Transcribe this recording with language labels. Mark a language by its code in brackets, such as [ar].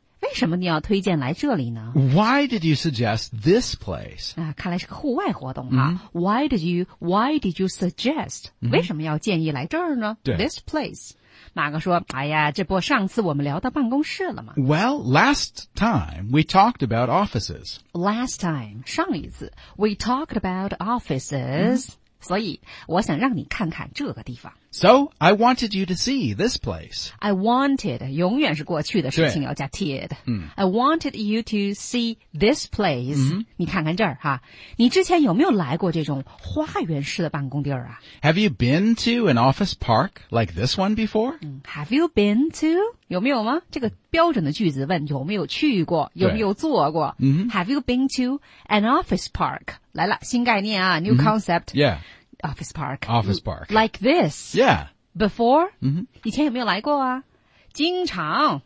[zh] 为什么你要推荐来这里呢? [en] Why did you suggest this place? [zh] 啊，看来是个户外活动啊。Mm-hmm. [en] Why did you suggest? [zh] Mm-hmm. 为什么要建议来这儿呢? [en] This place. [zh] 马哥说，哎呀，这不上次我们聊到办公室了吗? [en] Well, last time we talked about offices. Last time, [zh] 上一次, [en] we talked about offices.、Mm-hmm. [zh] 所以我想让你看看这个地方。 [en] So, I wanted you to see this place. I wanted, [zh] 永远是过去的事情要加 did.、嗯、 [en] I wanted you to see this place.、嗯、 [zh] 你看看这儿哈。你之前有没有来过这种花园式的办公地儿啊? [en] Have you been to an office park like this one before?、嗯、Have you been to? [zh] 有没有吗? 这个标准的句子问有没有去过,有没有做过。嗯、 [en] Have you been to an office park? [zh] 来了，新概念啊 [en] ,new concept.、 Mm-hmm. Yeah. Office park. Office park. Like this. Yeah. Before?、 Mm-hmm. [zh] 以前有没有来过啊?经常。